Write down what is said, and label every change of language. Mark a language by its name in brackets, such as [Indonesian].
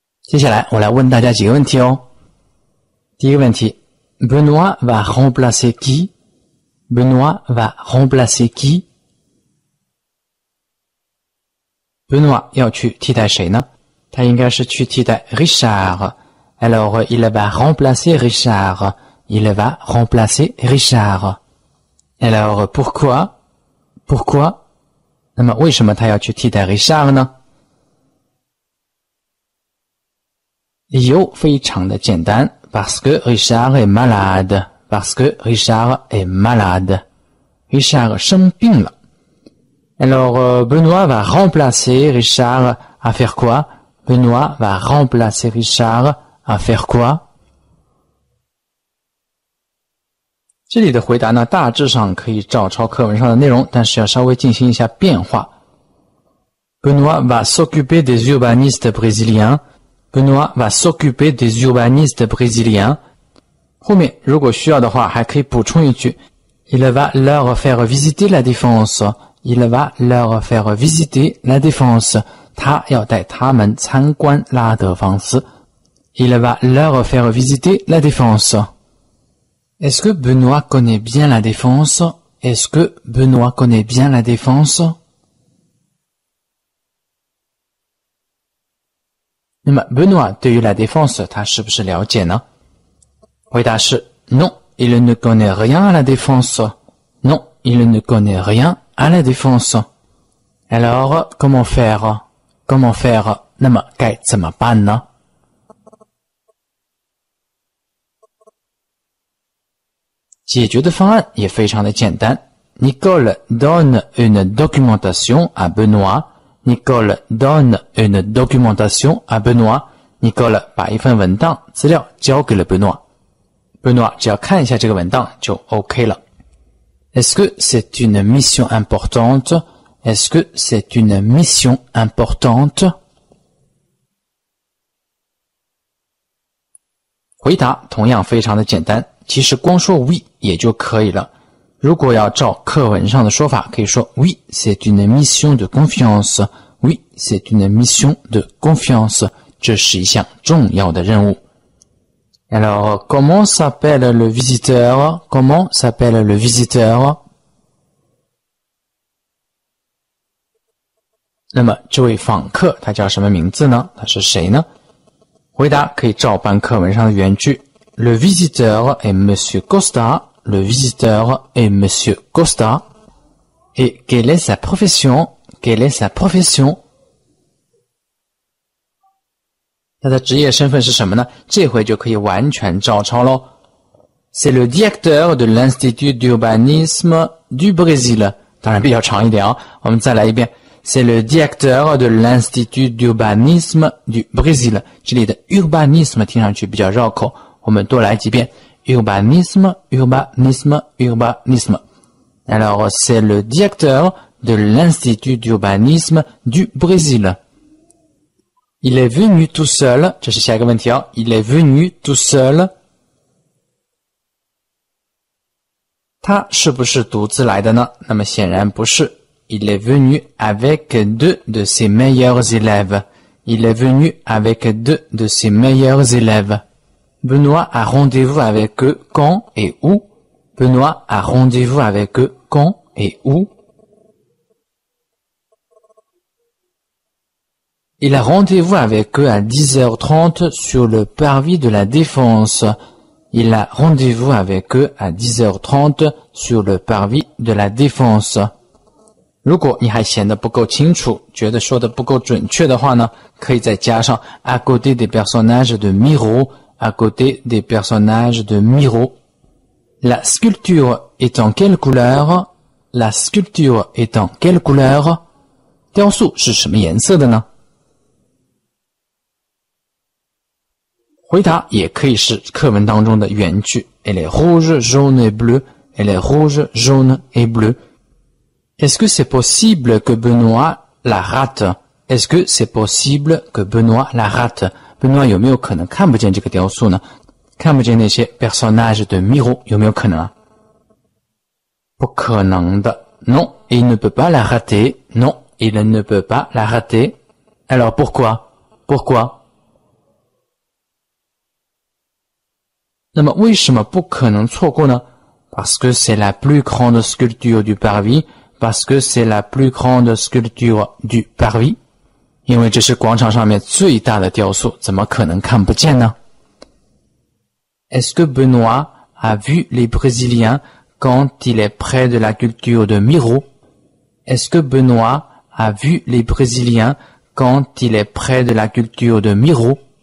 [Chinese] 接下来我来问大家几个问题哦。第一个问题， [French] Benoît va remplacer qui? Benoît va remplacer qui? [Chinese] Benoît 要去替代谁呢？他应该是去替代 Richard. [French] Alors, il va remplacer Richard. Il va remplacer Richard. Alors, pourquoi? Pourquoi? [Chinese] 那么为什么他要去替代 Richard 呢？理由非常的简单， [French] parce que Richard est malade, parce que Richard est malade. [Chinese] Richard 生病了。 [French] Alors, Benoît va remplacer Richard à faire quoi? Benoît va remplacer Richard à faire quoi? [Chinese] 这里的回答呢，大致上可以照抄课文上的内容，但是要稍微进行一下变化。 [French] Benoît va s'occuper des urbanistes brésiliens,Benoît va s'occuper des urbanistes brésiliens. [Chinese] 后面如果需要的话还可以补充一句， [French] Il va leur faire visiter la défense. Il va leur faire visiter la défense. [Chinese] 他要带他们参观拉德芳斯。 [French] Il va leur faire visiter la défense. Est-ce que Benoît connaît bien la défense? Est-ce que Benoît connaît bien la défense? [Chinese] 那么 Benoît 对于 la défense 他是不是了解呢？回答是 [French] Non, il ne connaît rien à la défense. Non, il ne connaît rien à la défense. Alors, comment faire? Comment faire? [Chinese] 那么该怎么办呢？解决的方案也非常的简单。 [French] Nicole donne une documentation à Benoît. Nicole donne une documentation à Benoît. [Chinese] Nicole 把一份文档资料交给了 Benoît. Benoît 只要看一下这个文档就 OK 了。 [French] Est-ce que c'est une mission importante? Est-ce que c'est une mission importante? [Chinese] 回答同样非常的简单，其实光说 oui 也就可以了。如果要照课文上的说法，可以说 [French] Oui, c'est une mission de confianceOui, c'est une mission de confiance. [Chinese] 这是一项重要的任务。 [French] Alors, comment s'appelle le visiteur? Comment s'appelle le visiteur? [Chinese] 那么这位访客他叫什么名字呢？他是谁呢？回答可以照搬课文上的原句。 [French] Le visiteur est Monsieur Costa. Le visiteur est Monsieur Costa. Et quelle est sa profession? Quelle est sa profession? [Chinese] 他的职业身份是什么呢？这回就可以完全照抄咯。 [French] C'est le directeur de l'Institut d'urbanisme du Brésil. [Chinese] 当然比较长一点哦。我们再来一遍。 [French] C'est le directeur de l'Institut d'urbanisme du Brésil. [Chinese] 这里的 urbanisme 听上去比较绕口，我们多来几遍 urbanisme, urbanisme, urbanisme. [French] Alors, c'est le directeur de l'Institut d'urbanisme du Brésil. Il est venu tout seul. [Chinese] 这是下一个问题哦。 [French] Il est venu tout seul. [Chinese] 他是不是独自来的呢？那么显然不是。 [French] Il est venu avec deux de ses meilleurs élèves. Il est venu avec deux de ses meilleurs élèves. Benoît a rendez-vous avec eux quand et où? Benoît a rendez-vous avec eux quand et où? Il a rendez-vous avec eux à 10h30 sur le parvis de la Défense. Il a rendez-vous avec eux à 10h30 sur le parvis de la Défense. [Chinese] 如果你还显得不够清楚，觉得说的不够准确的话呢，可以再加上 [French] à côté des personnages de Miro, [Chinese] à côté des personnages de Miro. [French] La sculpture est en quelle couleur? La sculpture est en quelle couleur? [Chinese] 雕塑是什么颜色的呢？回答也可以是课文当中的原句 [French] Elle est rouge, jaune et bleu. Elle est rouge, jaune et bleu. Est-ce que c'est possible que Benoît la rate? Est-ce que c'est possible que Benoît la rate? [Chinese] Benoît, 有没有可能看不见这个雕塑呢？看不见那些 [French] personnages de Miro, [Chinese] 有没有可能啊？不可能的。 [French] Non, il ne peut pas la rater. Non, il ne peut pas la rater. Alors, pourquoi? Pourquoi? [Chinese] 那么为什么不可能错过呢？ [French] Parce que c'est la plus grande sculpture du parvis. Parce que c'est la plus grande sculpture du parvis. [Chinese] 因为这是广场上面最大的雕塑，怎么可能看不见呢？ [French] Est-ce que Benoît a vu les Brésiliens quand il est près de la culture de Miro? Est-ce que Benoît a vu les Brésiliens quand il est près de la culture de Miro?